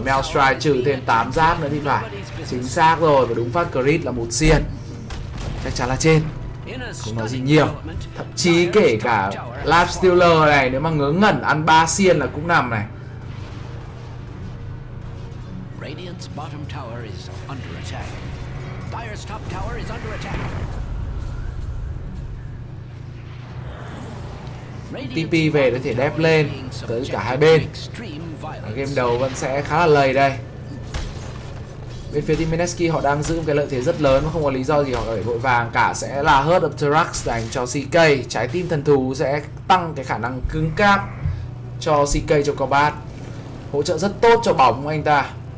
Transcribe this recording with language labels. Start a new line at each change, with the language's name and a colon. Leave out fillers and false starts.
Vietnamese: Maelstrike trừ thêm 8 giáp nữa thì phải. Chính xác rồi, và đúng phát crit là một xiên. Chắc chắn là trên. Không nói gì nhiều. Thậm chí kể cả Lifestealer này nếu mà ngớ ngẩn ăn 3 xiên là cũng nằm này.
English: Radiant's bottom tower is under attack. Dire's top tower is under attack.
Vietnamese: TP về để thể đép lên tới cả hai bên. Game đầu vẫn sẽ khá là lầy đây. Bên phía team Mineski họ đang giữ một cái lợi thế rất lớn, không có lý do gì họ phải vội vàng cả. Sẽ là Heart of Terax dành cho CK. Trái tim thần thú sẽ tăng cái khả năng cứng cáp cho CK trong combat, hỗ trợ rất tốt cho bóng anh ta.